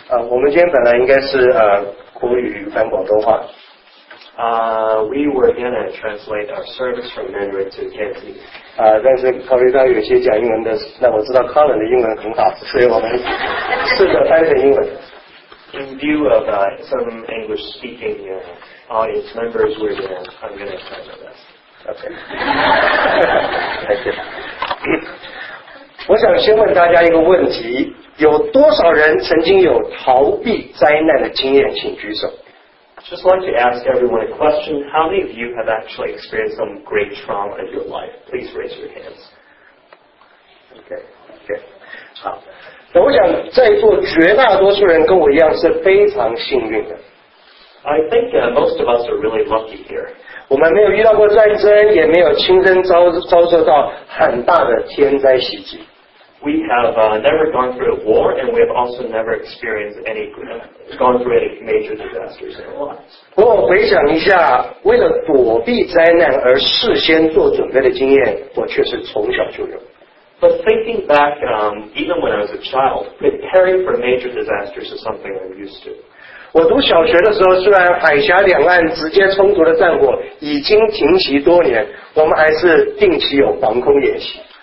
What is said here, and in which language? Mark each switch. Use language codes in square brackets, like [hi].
[zh] 我们今天本来应该是国语翻广东话。 [en] We were gonna translate our service from Mandarin to Cantonese. [zh] 但是考虑到有些讲英文的，那我知道 Colin 的英文很好，所以我们试着翻成英文。 [en] In view of some English speaking audience members, I'm gonna try my best. [zh] Okay. 再见。我想先问大家一个问题，有多少人曾经有逃避灾难的经验，请举手。 [en] Just like to ask everyone a question, how many of you have actually experienced some great trauma in your life? Please raise your hands. Okay. [zh] 好，那我想在座绝大多数人跟我一样是非常幸运的。 [en] I think most of us are really lucky here. [zh] 我们没有遇到过战争，也没有亲身遭受到很大的天灾袭击。 [en] We have never gone through a war, and we have also never experienced any major disasters in our lives. [zh] 不过回想一下，为了躲避灾难而事先做准备的经验，我却是从小就有。 [en] But thinking back, even when I was a child, preparing for major disasters is something I'm used to. [zh] 我读小学的时候，虽然海峡两岸直接冲突的战火已经停息多年，我们还是定期有防空演习。